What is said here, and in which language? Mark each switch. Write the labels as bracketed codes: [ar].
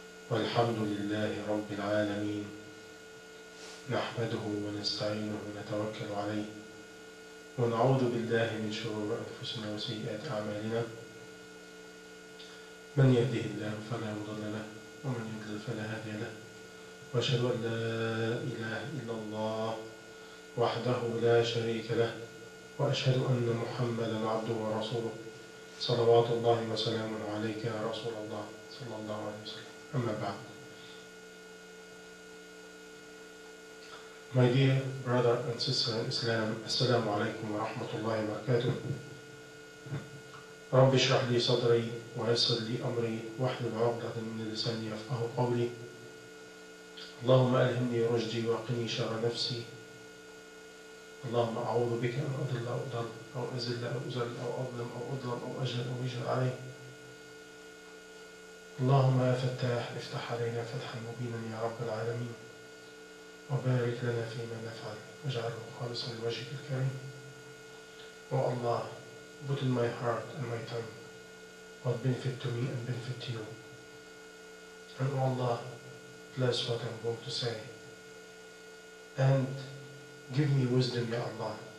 [ar] والحمد لله رب العالمين، نحمده ونستعينه ونتوكل عليه ونعوذ بالله من شرور أنفسنا وسيئات أعمالنا، من يهده الله فلا مضل له ومن يضلل فلا هادي له، وأشهد أن لا إله إلا الله وحده لا شريك له، وأشهد أن محمدا عبده ورسوله، صلوات الله وسلامه عليك يا رسول الله صلى الله عليه وسلم. أما بعد، [en] my dear brother and sister in Islam, [ar] السلام عليكم ورحمة الله وبركاته. رب اشرح لي صدري ويسر لي أمري واحلل عقدة من لساني يفقه قولي. اللهم ألهمني رشدي وقني شر نفسي. اللهم أعوذ بك أن أضل أو أضل أو أزل أو أزل أو أظلم أو أظلم أو أجهل أو يجهل علي. اللهم يا فتاح افتح علينا فتحا مبينا يا رب العالمين، وبارك لنا فيما نفعل واجعله خالصا لوجهك الكريم. [en] Oh Allah, put in my heart and my tongue what benefit to me and benefit to you. And oh Allah, bless what I'm going to say. And give me wisdom, Ya Allah.